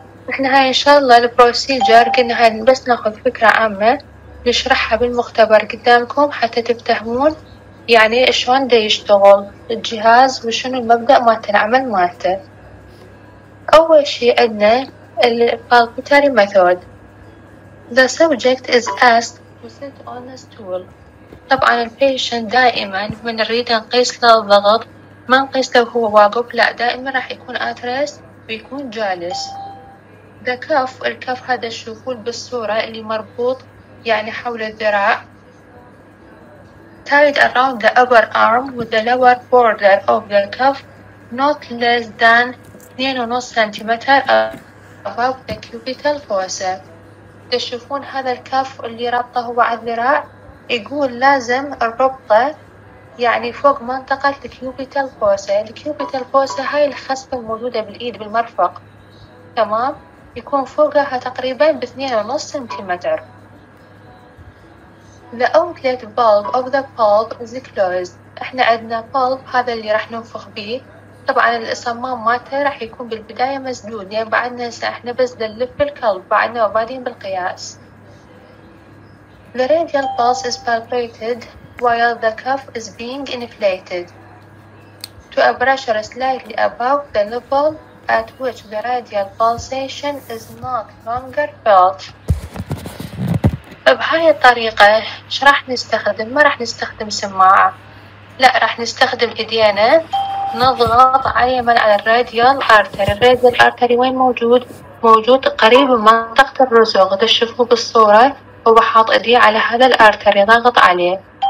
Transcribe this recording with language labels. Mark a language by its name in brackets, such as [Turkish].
[Arabic] احنا هاي ان شاء الله البروسيجر قلنا هاي بس ناخذ فكرة عامة نشرحها بالمختبر قدامكم حتى تفتهمون يعني شلون دا يشتغل الجهاز وشنو المبدأ مالت العمل مالته. اول شيء عندنا البالبيتري ميثود. [English] The subject is asked to sit on a stool. [Arabic] طبعا البيشن دائما من نريد نقيس له الضغط ما نقيس له هو واقف، لا دائما راح يكون اترس ويكون جالس. [English] The cuff، [Arabic] الكف هذا تشوفون بالصورة اللي مربوط يعني حول الذراع. [English] Tied around the upper arm with the lower border of the cuff not less than 2.5 cm above the cubital fossa. [Arabic] تشوفون هذا الكف اللي ربطه هو على الذراع، يقول لازم الربطه يعني فوق منطقه الكيوبيتال فوسا. الكيوبيتال فوسا هاي الخصبه الموجوده بالايد بالمرفق، تمام، يكون فوقها تقريبا ب2.5 سنتيمتر. [English] The outlet bulb of the pulp is closed. [Arabic] احنا عندنا pulp هذا اللي راح ننفخ به، طبعا الصمام مالته راح يكون بالبداية مسدود، يعني بعدنا احنا بس نلف الكلب بعدنا وبعدين بالقياس. [English] The radial pulse is palpated while the cuff is being inflated to a pressure slightly above the level at which the radial pulsation is not longer felt. [Arabic] بهاي الطريقة ايش راح نستخدم؟ ما راح نستخدم سماعة، لا راح نستخدم ايدينا نضغط يمن على الراديال ارتري. الراديال ارتري وين موجود؟ موجود قريب من منطقة الرسوغ، تشوفوا بالصورة هو حاط ايديه على هذا الارتري ضغط عليه.